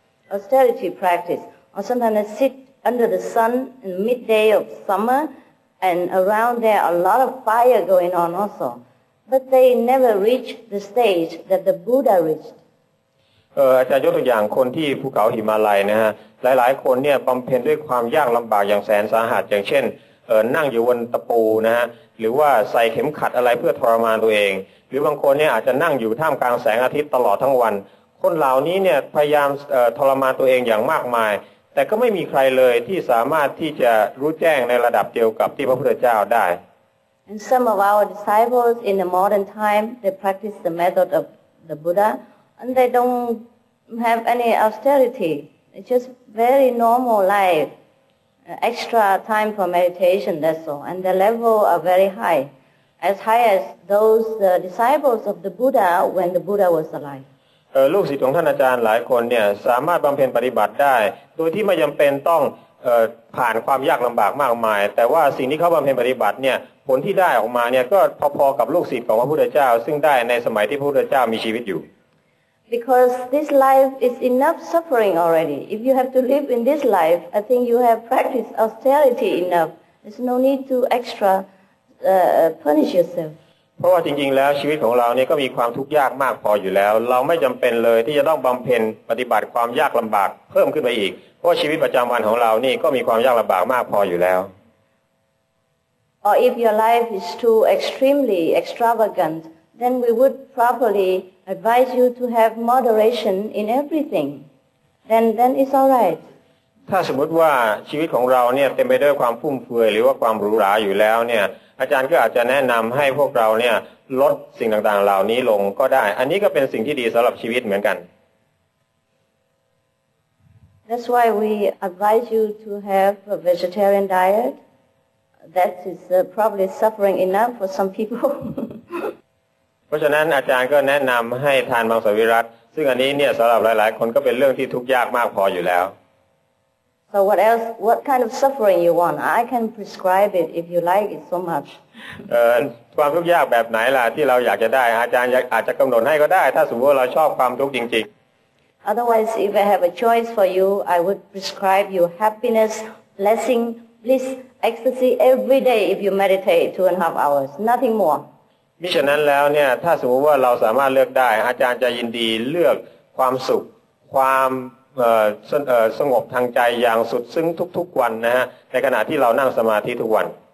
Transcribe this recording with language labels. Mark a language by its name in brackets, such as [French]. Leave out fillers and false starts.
[English] austerity practice, or sometimes I sit under the sun in midday of summer, and around there a lot of fire going on also. But they never reach the stage that the Buddha reached. [Thai] อาจารย์ยกตัวอย่างคนที่ภูเขาหิมาลัยนะฮะหลายๆคนเนี่ยบำเพ็ญด้วยความยากลำบากอย่างแสนสาหัสอย่างเช่นนั่งอยู่บนตะปูนะฮะหรือว่าใส่เข็มขัดอะไรเพื่อทรมานตัวเองหรือบางคนเนี่ยอาจจะนั่งอยู่ท่ามกลางแสงอาทิตย์ตลอดทั้งวันคนเหล่านี้เนี่ยพยายามทรมานตัวเองอย่างมากมายแต่ก็ไม่มีใครเลยที่สามารถที่จะรู้แจ้งในระดับเดียวกับที่พระพุทธเจ้าได้ [English] And some of our disciples in the modern time they practice the method of the Buddha and they don't have any austerity it's just very normal lifeExtra time for meditation, that's all. And the level are very high. As high as those disciples of the Buddha when the Buddha was alive. [Thai] ลูกศิษย์ของท่านอาจารย์หลายคนเนี่ยสามารถบำเพ็ญปฏิบัติได้โดยที่ไม่จำเป็นต้องผ่านความยากลำบากมากมายแต่ว่าสิ่งที่เขาบำเพ็ญปฏิบัติเนี่ยผลที่ได้ออกมาเนี่ยก็พอๆกับลูกศิษย์ของพระพุทธเจ้าซึ่งได้ในสมัยที่พระพุทธเจ้ามีชีวิตอยู่ [English] Because this life is enough suffering already. If you have to live in this life, I think you have practiced austerity enough. There's no need to extra punish yourself. [Thai] เพราะว่าจริงๆแล้วชีวิตของเราเนี่ยก็มีความทุกข์ยากมากพออยู่แล้วเราไม่จำเป็นเลยที่จะต้องบำเพ็ญปฏิบัติความยากลำบากเพิ่มขึ้นไปอีกเพราะว่าชีวิตประจำวันของเรานี่ก็มีความยากลำบากมากพออยู่แล้ว [English] Or if your life is too extremely extravagant then we would properly advise you to have moderation in everything then it's all right [Thai] ถ้าสมมติว่าชีวิตของเราเนี่ยเต็มไปด้วยความฟุ่มเฟือยหรือว่าความหรูหราอยู่แล้วเนี่ยอาจารย์ก็อาจจะแนะนำให้พวกเราเนี่ยลดสิ่งต่างๆเหล่านี้ลงก็ได้อันนี้ก็เป็นสิ่งที่ดีสำหรับชีวิตเหมือนกัน [English] That's why we advise you to have a vegetarian diet. That is probably suffering enough for some people. [Thai] เพราะฉะนั้นอาจารย์ก็แนะนำให้ทานมังสวิรัติซึ่งอันนี้เนี่ยสำหรับหลายๆคนก็เป็นเรื่องที่ทุกข์ยากมากพออยู่แล้ว [English] So what else? What kind of suffering you want? I can prescribe it if you like it so much. [Thai] ความทุกข์ยากแบบไหนล่ะที่เราอยากจะได้อาจารย์อาจจะกำหนดให้ก็ได้ถ้าสมมติว่าเราชอบความทุกข์จริง [English] ๆ Otherwise, if I have a choice for you, I would prescribe you happiness, blessing, bliss, ecstasy every day if you meditate 2.5 hours. Nothing more. [Thai] มิฉะนั้นแล้วเนี่ยถ้าสมมติว่าเราสามารถเลือกได้อาจารย์จะยินดีเลือกความสุขความสงบทางใจอย่างสุดซึ้งทุกๆวันนะฮะในขณะที่เรานั่งสมาธิทุกวัน